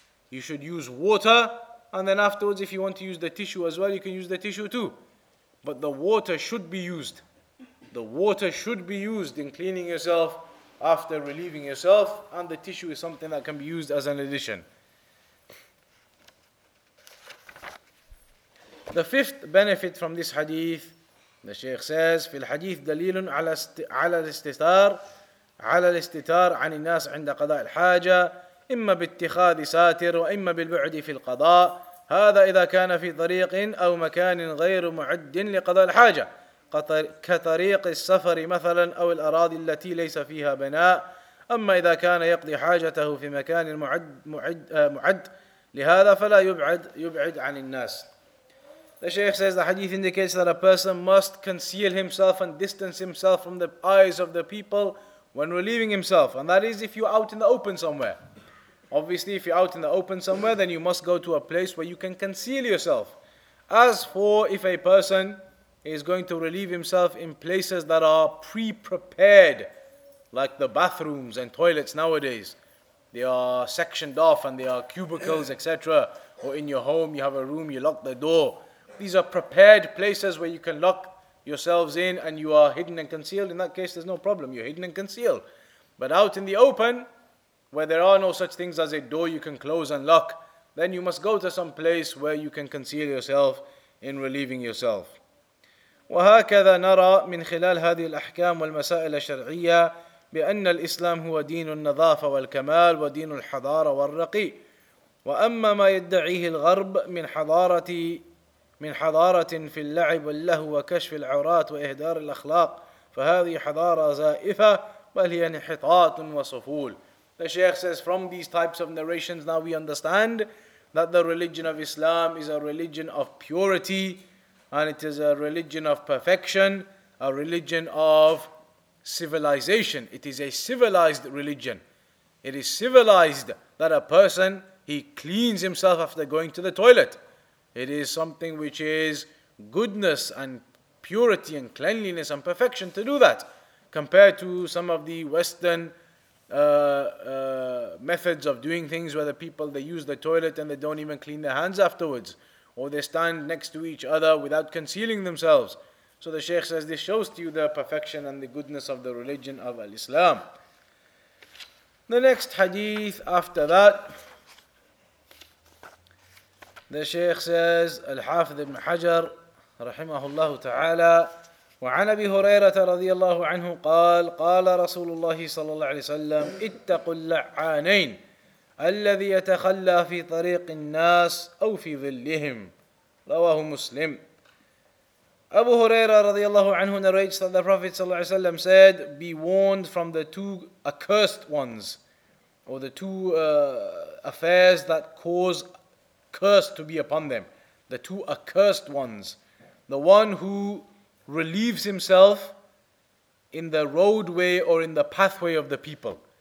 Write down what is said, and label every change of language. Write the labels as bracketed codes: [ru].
[en] You should use water, and then afterwards if you want to use the tissue as well, you can use the tissue too. But the water should be used. The water should be used in cleaning yourself after relieving yourself, and the tissue is something that can be used as an addition. The fifth benefit from this hadith, the Shaykh says, [ar] في الحديث دليل على الاستتار على الاستتار عن الناس عند قضاء الحاجة إما باتخاذ ساتر وإما بالبعد في القضاء هذا إذا كان في طريق أو مكان غير معد لقضاء الحاجة كطريق السفر مثلا أو الأراضي التي ليس فيها بناء أما إذا كان يقضي حاجته في مكان معد لهذا فلا يبعد عن الناس. [en] The Shaykh says the hadith indicates that a person must conceal himself and distance himself from the eyes of the people when relieving himself. And that is if you're out in the open somewhere. Obviously, if you're out in the open somewhere, then you must go to a place where you can conceal yourself. As for if a person is going to relieve himself in places that are pre-prepared, like the bathrooms and toilets nowadays, they are sectioned off and there are cubicles, etc. Or in your home, you have a room, you lock the door. These are prepared places where you can lock yourselves in and you are hidden and concealed. In that case, there's no problem. You're hidden and concealed. But out in the open, where there are no such things as a door you can close and lock, then you must go to some place where you can conceal yourself in relieving yourself. [ar] وَهَكَذَا نَرَى مِنْ خِلَالْ هَذِهِ الْأَحْكَامُ وَالْمَسَائِلَ الشَّرْعِيَّةِ بِأَنَّ الْإِسْلَامُ هُوَ دِينُ النَّظَافَةِ وَالْكَمَالِ وَدِينُ الْحَضَارَةِ وَالرَّقِيِّ وَأَمَّا مَا يَدَّعِيهِ الْغَرْبُ مِنْ حَضَارَةِ من حضارة في اللعب واللهو وكشف العورات وإهدار الأخلاق فهذه حضارة زائفة بل هي انحطاط وصفول. [en] The Shaykh says from these types of narrations now we understand that the religion of Islam is a religion of purity and it is a religion of perfection, a religion of civilization. It is a civilized religion. It is civilized that a person, he cleans himself after going to the toilet. It is something which is goodness and purity and cleanliness and perfection to do that, compared to some of the Western methods of doing things where the people, they use the toilet and they don't even clean their hands afterwards, or they stand next to each other without concealing themselves. So the Shaykh says, this shows to you the perfection and the goodness of the religion of Al-Islam. The next hadith after that, the Shaykh says, Al-Hafidh ibn Hajar, rahimahullah ta'ala, [ar] وعن أبي هريرة رضي الله عنه قال, قال رسول الله صلى الله عليه وسلم, اتقوا اللعانين, الذي يتخلى في طريق الناس أو في ظلهم. رواه مسلم. [en] Abu Huraira [ar] رضي الله عنه [en] narrates that the Prophet [ar] صلى الله عليه وسلم [en] said, be warned from the two accursed ones, or the two affairs that cause curse to be upon them, the two accursed ones, the one who relieves himself in the roadway or in the pathway of the people.